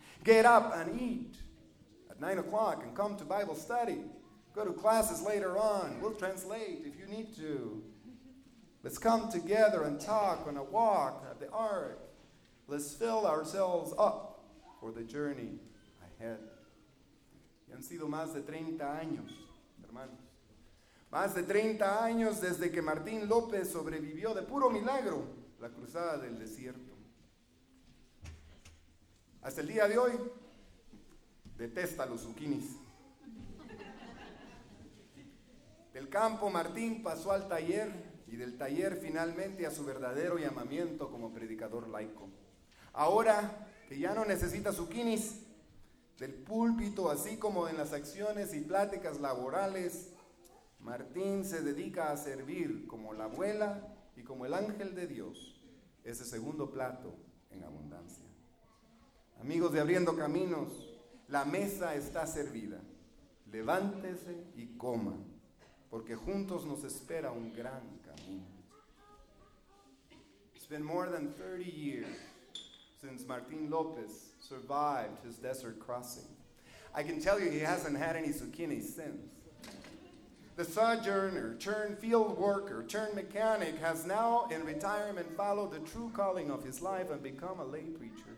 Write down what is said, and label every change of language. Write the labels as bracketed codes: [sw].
[en] Get up and eat at 9 o'clock and come to Bible study. Go to classes later on. We'll translate if you need to. Let's come together and talk on a walk at the Ark. Let's fill ourselves up for the journey ahead. [es] Y han sido más de 30 años, hermanos. Más de 30 años desde que Martín López sobrevivió de puro milagro la cruzada del desierto. Hasta el día de hoy, detesta los zucchinis. Del campo Martín pasó al taller y del taller finalmente a su verdadero llamamiento como predicador laico. Ahora que ya no necesita zucchinis, del púlpito así como en las acciones y pláticas laborales, Martín se dedica a servir como la abuela y como el ángel de Dios, ese segundo plato en abundancia. Amigos de Abriendo Caminos, la mesa está servida. Levántese y coma, porque juntos nos espera un gran camino. [en] It's been more than 30 years since Martín López survived his desert crossing. I can tell you he hasn't had any zucchini since. The sojourner turned field worker turned mechanic has now in retirement followed the true calling of his life and become a lay preacher.